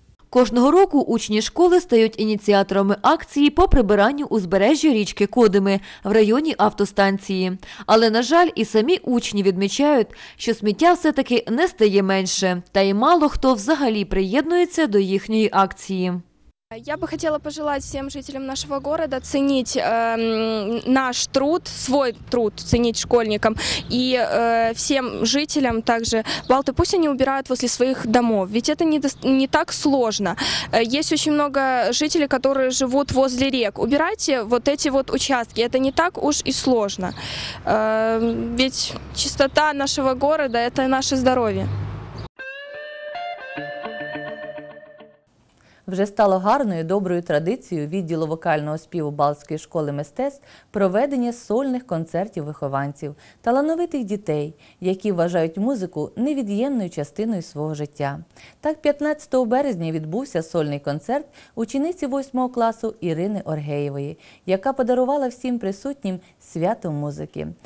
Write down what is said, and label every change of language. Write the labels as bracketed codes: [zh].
[uk] Кожного року учні школи стають ініціаторами акції по прибиранню узбережжя річки Кодими в районі автостанції. Але, на жаль, і самі учні відмічають, що сміття все-таки не стає менше, та й мало хто взагалі приєднується до їхньої акції. [ru] Я бы хотела пожелать всем жителям нашего города ценить наш труд, свой труд ценить школьникам и всем жителям также Балты, пусть они убирают возле своих домов, ведь это не так сложно. Есть очень много жителей, которые живут возле рек. Убирайте вот эти вот участки, это не так уж и сложно. Ведь чистота нашего города – это наше здоровье. [uk] Вже стало гарною, доброю традицією відділу вокального співу Балтської школи мистецтв проведення сольних концертів вихованців, талановитих дітей, які вважають музику невід'ємною частиною свого життя. Так, 15 березня відбувся сольний концерт учениці 8 класу Ірини Оргеєвої, яка подарувала всім присутнім свято музики.